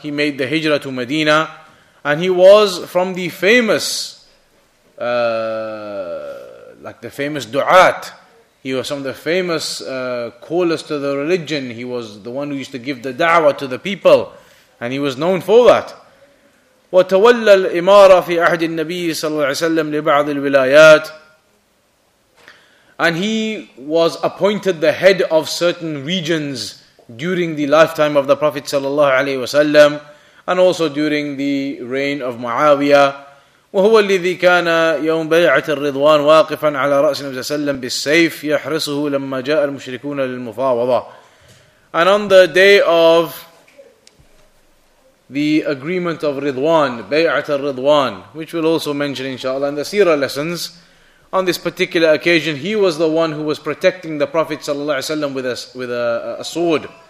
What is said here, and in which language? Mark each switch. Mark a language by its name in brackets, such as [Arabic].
[English] He made the hijrah to Medina. And he was from the famous du'at. He was some of the famous callers to the religion. He was the one who used to give the da'wah to the people, and he was known for that. [Arabic] وتولى الإمارة في عهد النبي صلى الله عليه وسلم لبعض الولايات. [English] And he was appointed the head of certain regions during the lifetime of the Prophet [Arabic] صلى الله عليه وسلم, [English] and also during the reign of Muawiyah. [Arabic] وهو الذي كان يوم بيعة الرضوان واقفا على رأس النبي صلى الله عليه وسلم بالسيف يحرسه لما جاء المشركون للمفاوضة. [English] And on the day of the agreement of رضوان, بيعة الرضوان, which we'll also mention inshallah in the seerah lessons, on this particular occasion he was the one who was protecting the Prophet [Arabic] صلى الله عليه وسلم [English] with a sword.